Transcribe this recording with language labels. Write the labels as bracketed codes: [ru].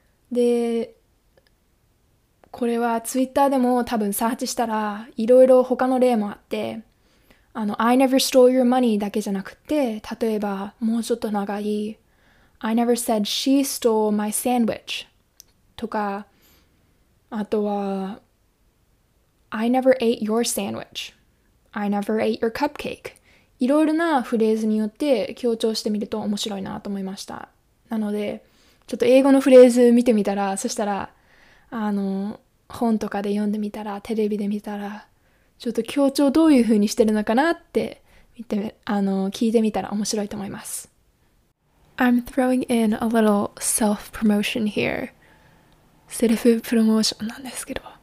[ja] で、これはツイッターでも多分サーチしたらいろいろ他の例もあって、あの [en] I never stole your money [ja] だけじゃなくて、例えばもうちょっと長い [en] I never said she stole my sandwich [ja] とか、あとは [en] I never ate your sandwich、 I never ate your cupcake、 [ja] いろいろなフレーズによって強調してみると面白いなと思いました。なのでちょっと英語のフレーズ見てみたら、そしたらあの本とかで読んでみたら、テレビで見たら、ちょっと強調どういう風にしてるのかなって見て、あの聞いてみたら面白いと思います。 [en] I'm throwing in a little self-promotion here. [ja] セルフプロモーションなんですけど。